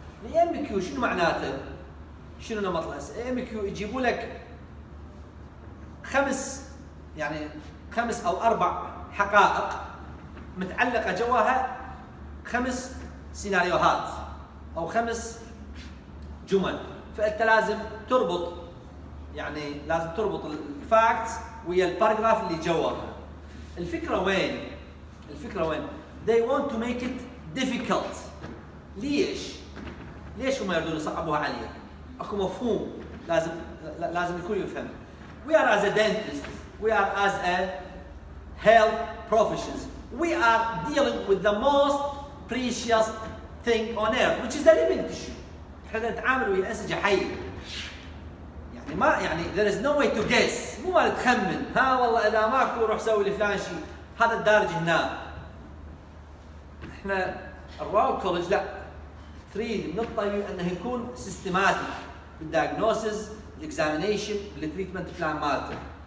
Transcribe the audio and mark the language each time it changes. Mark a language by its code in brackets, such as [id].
[ar] الـ EMQ شنو معناته؟ شنو نمط الاسئله؟ EMQ يجيبوا لك خمس او اربع حقائق متعلقة جواها خمس سيناريوهات أو خمس جمل، فأنت لازم تربط، يعني لازم تربط الفاكتس ويا الباراجراف اللي جواها. الفكرة وين؟ [en] they want to make it difficult. [ar] ليش هم يردون يصعبوها عليك؟ أكو مفهوم لازم الكل يفهم. [en] We are as a health professionals. We are dealing with the most precious thing on earth, which is the living tissue. [ar] إحنا نتعامل ويا أنسجة حية. يعني [en] there is no way to guess. [ar] مو ما تخمن. ها والله إذا ماكو روح سوي لفلان شيء. هذا الدارج هنا. إحنا الرويال كوليدج لا. تريد من الطبيب أنه يكون systematic بالdiagnosis, examination, بالtreatment plan مالته.